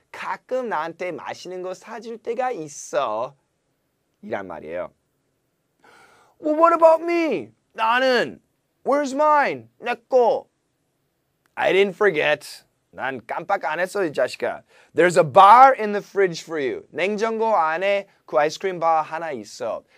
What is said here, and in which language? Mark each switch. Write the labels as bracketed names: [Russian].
[Korean] 가끔 나한테 맛있는 거 사줄 때가 있어. 이란 말이에요. [English] Well, what about me? [Korean] 나는. [English] Where's mine? [Korean] 내 거. [English] I didn't forget. [Korean] 난 깜빡 안 했어, 이 자식아. [English] There's a bar in the fridge for you. [Korean] 냉장고 안에 그 아이스크림 바 하나 있어.